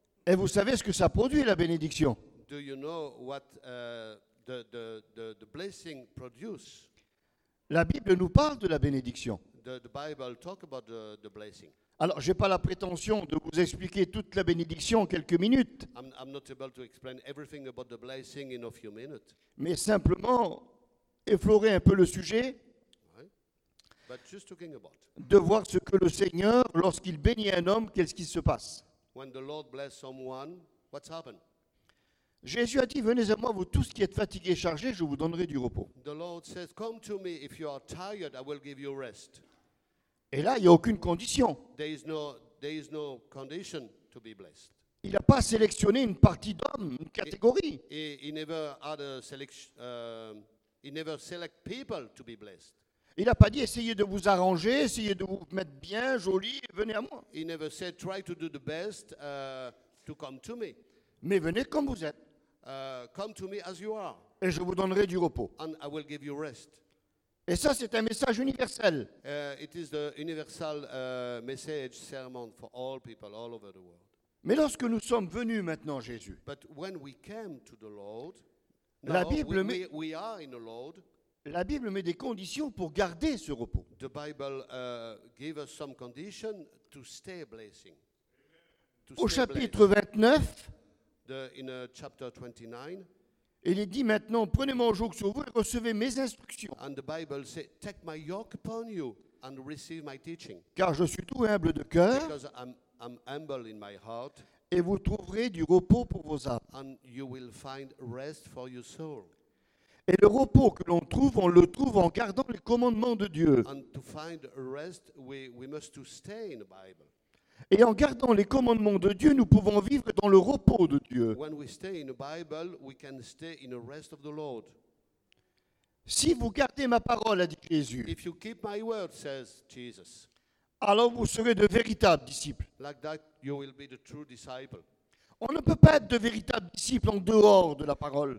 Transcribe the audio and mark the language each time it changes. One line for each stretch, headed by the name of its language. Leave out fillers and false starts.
French: Et vous savez ce que ça produit, la bénédiction?
English: Do you know what the blessing produces?
French: La Bible nous parle de la bénédiction.
English: The Bible talk about the blessing.
French: Alors, je n'ai pas la prétention de vous expliquer toute la bénédiction en quelques minutes.
English: I'm not able to explain everything about the blessing in a few minutes.
French: Mais simplement, effleurer un peu le sujet.
English: Right. But just talking about.
French: De voir ce que le Seigneur, lorsqu'il bénit un homme, qu'est-ce qui se passe.
English: When the Lord bless someone, what's happened?
French: Jésus a dit, venez à moi, vous tous qui êtes fatigués et chargés, je vous donnerai du repos.
English: The Lord says, come to me, if you are tired, I will give you rest.
French: Et là, il n'y a aucune condition.
English: There is no condition to be blessed.
French: Il n'a pas sélectionné une partie d'hommes, une catégorie.
English: He never had a selection, he never select people to be blessed.
French: Il n'a pas dit essayez de vous arranger, essayez de vous mettre bien, joli, venez à moi.
English: He never said try to do the best to come to me.
French: Mais venez comme vous êtes.
English: Come to me as you are.
French: Et je vous donnerai du repos.
English: And I will give you rest.
French: Et ça, c'est un message universel.
English: It is the universal message sermon for all people all over the world.
French: Mais lorsque nous sommes venus maintenant, Jésus.
English: But when we came to the Lord.
French: La Bible met.
English: We are in the Lord.
French: La Bible met des conditions pour garder ce repos.
English: The Bible gave us some condition to stay blessing. To stay.
French: Au chapitre 29.
English: In chapter 29.
French: Il est dit maintenant, prenez mon joug sur vous et recevez mes instructions.
English: And the Bible says, take my yoke upon you and receive my teaching.
French: Car je suis tout humble de cœur.
English: Because I'm humble in my heart.
French: Et vous trouverez du repos pour vos âmes.
English: And you will find rest for your soul.
French: Et le repos que l'on trouve, on le trouve en gardant les commandements de Dieu.
English: And to find rest, we must to stay in the Bible.
French: Et en gardant les commandements de Dieu, nous pouvons vivre dans le repos de Dieu.
English: When we stay in the Bible, we can stay in the rest of the Lord.
French: Si vous gardez ma parole, a dit Jésus.
English: If you keep my word, says Jesus.
French: Alors vous serez de véritables disciples.
English: Like that, you will be the true disciple.
French: On ne peut pas être de véritables disciples en dehors de la parole.